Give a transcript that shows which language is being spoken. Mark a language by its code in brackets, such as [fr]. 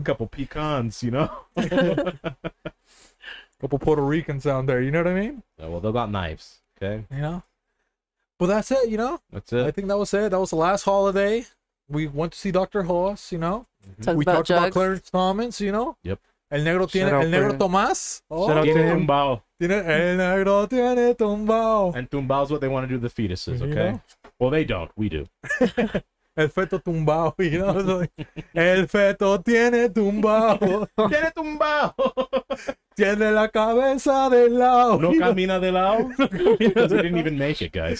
[en] A couple pecans, you know? A couple Puerto Ricans down there, you know what I mean? Yeah, well, they got knives, okay? You know? But that's it, you know? That's it. I think that was it. That was the last holiday. We went to see Dr. Hoss, you know? Mm-hmm. We talked about Clarence Thomas, you know? Yep. [es] El Negro tiene, El Negro Tomás. [en] Oh, shout out to him. Tumbao. [es] Tiene, El Negro tiene tumbao. [en] And tumbao is what they want to do to the fetuses, okay? You know? Well, they don't. We do. [es] El feto tumbao, [en] you know? [es] El feto tiene tumbao. Tiene tumbao. Tiene la cabeza de lado. No camina de lado. [en] Because he didn't even make it, guys.